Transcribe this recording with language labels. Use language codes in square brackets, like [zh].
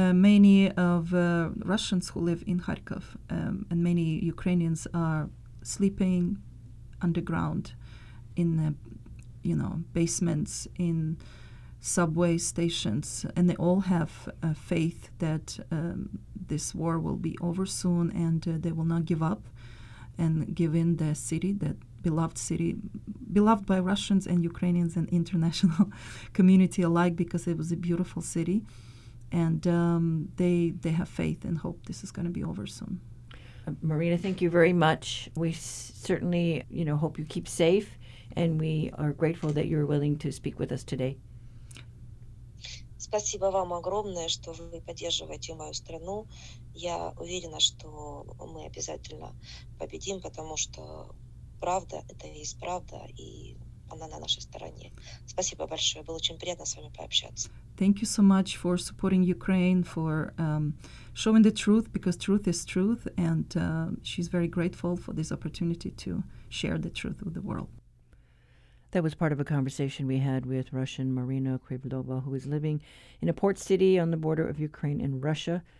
[en] Many of Russians who live in Kharkiv and many Ukrainians are sleeping underground in the, you know, basements, in subway stations, and they all have faith that this war will be over soon, and they will not give up and give in the city, that beloved city, beloved by Russians and Ukrainians and international community alike, because it was a beautiful city. And they have faith and hope this is going to be over soon. Marina, thank you very much. We certainly, you know, hope you keep safe, and we are grateful that you're willing to speak with us today. [ru] Спасибо вам огромное, что вы поддерживаете мою страну. Я уверена, что мы обязательно победим, потому что правда это есть правда, и она на нашей стороне. Спасибо большое. Было очень приятно с вами пообщаться. [en] Thank you so much for supporting Ukraine, for showing the truth, because truth is truth, and she's very grateful for this opportunity to share the truth with the world. That was part of a conversation we had with Russian Marina Kribilova, who is living in a port city on the border of Ukraine and Russia.